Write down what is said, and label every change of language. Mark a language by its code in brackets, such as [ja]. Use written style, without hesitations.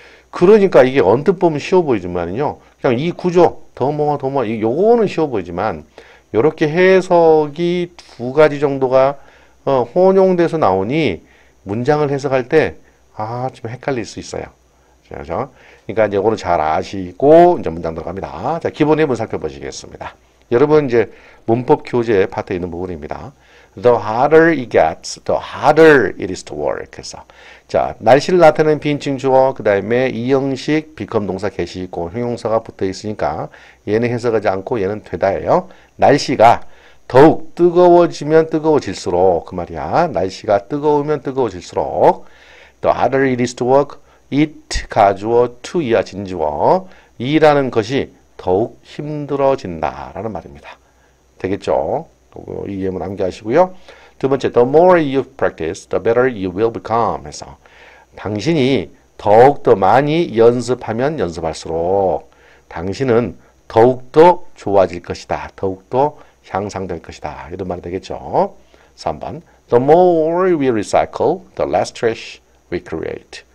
[ko] 그러니까 이게 언뜻 보면 쉬워 보이지만요, 그냥 이 구조, 더 뭐, 요거는 쉬워 보이지만, 요렇게 해석이 두 가지 정도가, 혼용돼서 나오니, 문장을 해석할 때, 아, 좀 헷갈릴 수 있어요. 그렇죠? 그러니까 요거는 잘 아시고, 이제 문장 들어갑니다. 자, 기본 예문 살펴보시겠습니다. 여러분, 이제, 문법 교재 파트에 있는 부분입니다. [en] The hotter it gets, the harder it is to work. [ko] 그래서. 자, 날씨를 나타내는 비인칭 주어, 그 다음에 이형식, become 동사 개시 있고, 형용사가 붙어 있으니까, 얘는 해석하지 않고, 얘는 되다예요. 날씨가 더욱 뜨거워지면 뜨거워질수록, 그 말이야. 날씨가 뜨거우면 뜨거워질수록, [en] the hotter it is to work, [ko] it 가주어, to 이하 진주어, 이라는 것이 더욱 힘들어진다라는 말입니다. 되겠죠? 이 예문 암기하시고요. [en] 두 번째, the more you practice, the better you will become. [ko] 해서 당신이 더욱더 많이 연습하면 연습할수록 당신은 더욱더 좋아질 것이다. 더욱더 향상될 것이다. 이런 말이 되겠죠? 3번, [en] the more we recycle, the less trash we create.